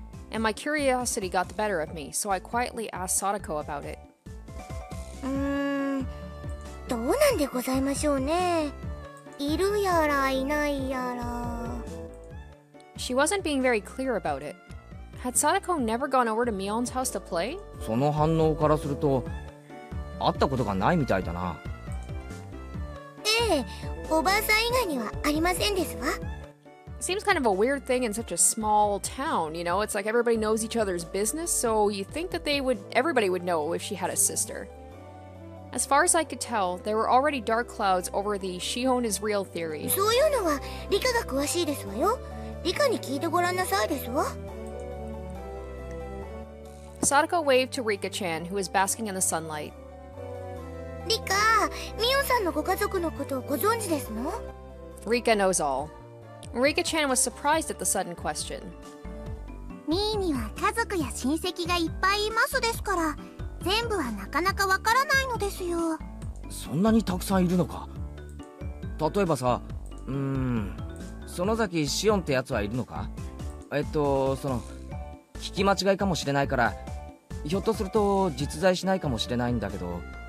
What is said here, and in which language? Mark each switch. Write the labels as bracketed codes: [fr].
[en] And my curiosity got the better of me, so I quietly asked Sadako about it. [ja] どうなんでございましょうね。いるやらいないやら。 [en] She wasn't being very clear about it. Had Sadako never gone over to Mion's house to play? [ja] その反応からすると、会ったことがないみたいだな。ええ、おばあさん以外にはありませんですわ。 [en] Seems kind of a weird thing in such a small town, you know? It's like everybody knows each other's business, so you think that everybody would know if she had a sister. As far as I could tell, there were already dark clouds over the Shion is real theory. [ja] そういうのは、リカが詳しいですわよ。リカに聞いてごらんなさいですわ。 [en] Sadako waved to Rika-chan, who was basking in the sunlight. [ja] リカ、ミオさんのご家族のことをご存知ですの? [en] Rika knows all. Rika-chan was surprised at the sudden question. [ja] ミーには家族や親戚がいっぱいいますですから、全部はなかなかわからないのですよ。そんなにたくさんいるのか。例えばさ、園崎シオンってやつはいるのか。その聞き間違いかもしれないから、ひょっとすると実在しないかもしれないんだけど。